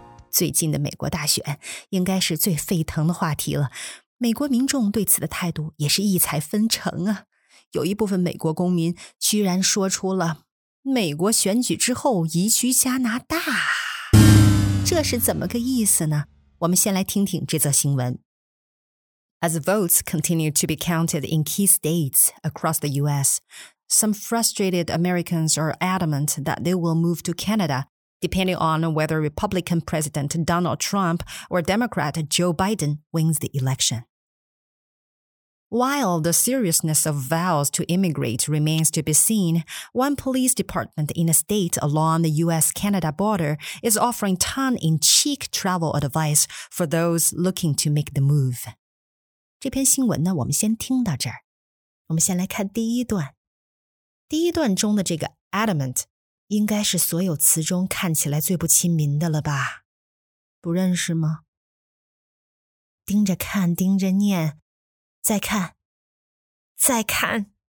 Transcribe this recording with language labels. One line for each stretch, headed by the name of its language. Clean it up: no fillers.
Chinese: 最近的美国大选应该是最沸腾的话题了，美国民众对此的态度也是异彩纷呈啊。有一部分美国公民居然说出了美国选举之后移居加拿大，这是怎么个意思呢？我们先来听听这则新闻。
English: As votes continue to be counted in key states across the U.S., some frustrated Americans are adamant that they will move to Canada, depending on whether Republican President Donald Trump or Democrat Joe Biden wins the election. While the seriousness of vows to immigrate remains to be seen, one police department in a state along the U.S.-Canada border is offering tongue-in-cheek travel advice for those looking to make the move.
Chinese: 这篇新闻呢，我们先听到这儿。我们先来看第一段。第一段中的这个 adamant 应该是所有词中看起来最不亲民的了吧？不认识吗？盯着看，盯着念，再看，再看，